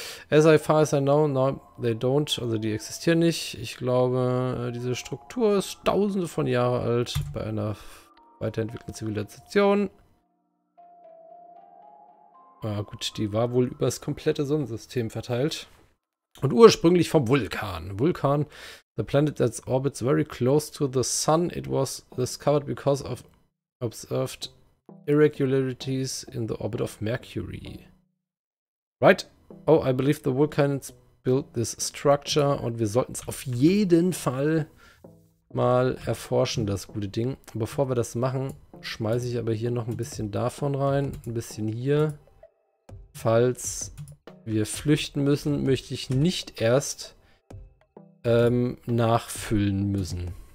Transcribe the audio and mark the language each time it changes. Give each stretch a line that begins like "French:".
English: As far as I know, no, they don't,
German: also die existieren nicht. Ich glaube, diese Struktur ist tausende von Jahre alt bei einer weiterentwickelten Zivilisation. Ah, gut, die war wohl übers komplette Sonnensystem verteilt. Und ursprünglich vom Vulkan.
English: Vulkan, the planet that orbits very close to the sun. It was discovered because of observed irregularities in the orbit of Mercury. Right? Oh, I believe the Vulcans built this structure.
German: Und wir sollten es auf jeden Fall mal erforschen, das gute Ding. Bevor wir das machen, schmeiße ich aber hier noch ein bisschen davon rein. Ein bisschen hier. Falls wir flüchten müssen, möchte ich nicht erst nachfüllen müssen.